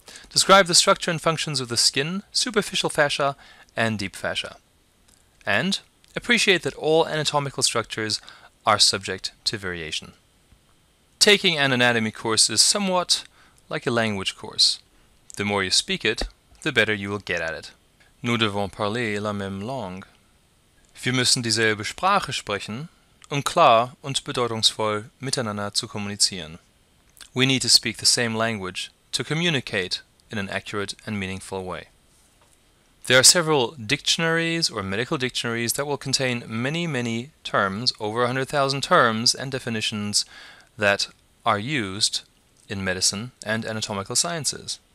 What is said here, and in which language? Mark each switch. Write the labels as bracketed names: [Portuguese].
[English] Describe the structure and functions of the skin, superficial fascia, and deep fascia. And appreciate that all anatomical structures are subject to variation. Taking an anatomy course is somewhat like a language course. The more you speak it, the better you will get at it. [French] Nous devons parler la même langue. [German] Wir müssen dieselbe Sprache sprechen, um klar und bedeutungsvoll miteinander zu kommunizieren. [English] We need to speak the same language to communicate in an accurate and meaningful way. There are several dictionaries or medical dictionaries that will contain many, many terms, over 100,000 terms and definitions that are used in medicine and anatomical sciences.